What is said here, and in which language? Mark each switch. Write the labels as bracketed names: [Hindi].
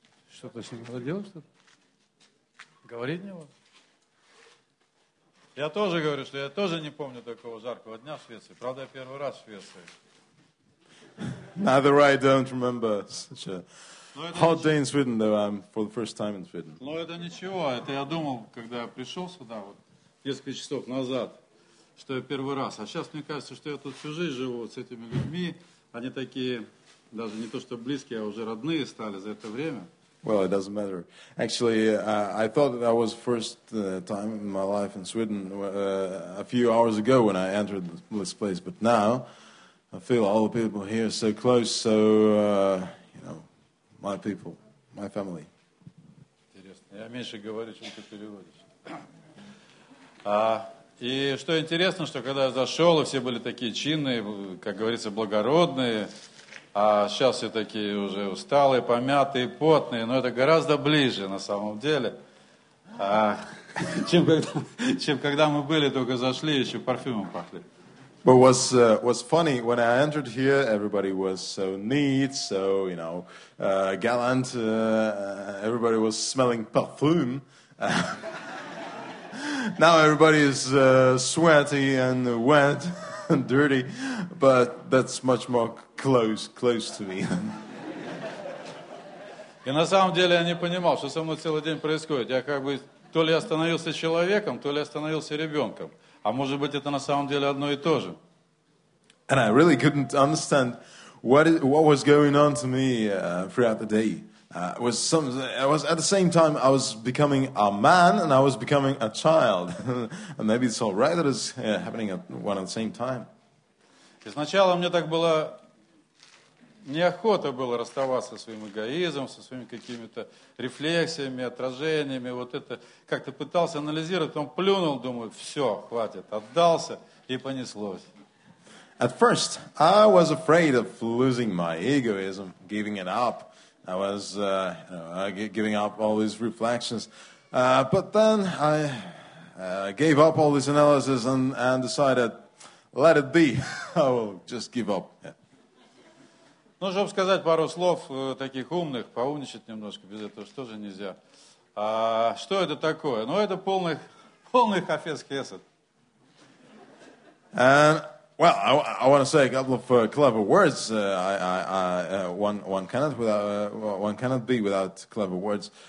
[Russian] Что-то с ним надо делать, что-то? Говорить не вот. Я тоже говорю, что я тоже не помню такого жаркого дня в Швеции. Правда, я первый раз в Швеции. [English] Neither I don't remember such a hot day in Sweden, though I'm for the first time in Sweden. [Russian] Но это ничего, это я думал, когда я пришел сюда, вот несколько часов назад, что я первый раз. А сейчас мне кажется, что я тут всю жизнь живу вот с этими людьми. Они такие, даже не то, что близкие, а уже родные стали за это время. [English] Well, it doesn't matter. Actually, I thought that was the first time in my life in Sweden a few hours ago when I entered this place. But now, I feel all the people here so close, so, you know, my people, my family. [Russian] Интересно. Я меньше говорю, чем ты переводишь. И что интересно, что когда я зашел, все были такие чинные, как говорится, благородные. А сейчас все такие уже усталые, помятые, потные, но это гораздо ближе на самом деле, чем когда мы были, только зашли, еще парфюмом пахли. [English] But was funny, when I entered here, everybody was so neat, so, you know, gallant, everybody was smelling perfume. Now everybody is sweaty and wet. Dirty, but that's much more close to me. [Russian] И на самом деле я не понимал, что со мной целый день происходит. Я как бы то ли остановился человеком, то ли остановился ребенком. А может быть, это на самом деле одно и то же. [English] And I really couldn't understand what was going on to me throughout the day. I was at the same time I was becoming a man and I was becoming a child. And maybe it's all right that it's happening at one and the same time. [Russian] Изначально мне так было неохота было расставаться со своим эгоизмом, со своими какими-то рефлексиями, отражениями. Вот это как-то пытался анализировать, потом плюнул, думаю, все, хватит, отдался и понеслось. [English] At first I was afraid of losing my egoism, giving it up. I was giving up all these reflections, but then I gave up all this analysis and decided, let it be. I will just give up. [Russian] Ну, чтобы сказать пару слов таких умных, поумничать немножко без этого тоже нельзя. Что это такое? Ну, это полный хафес хесед. [English] Well, I want to say a couple of clever words. One cannot be without clever words.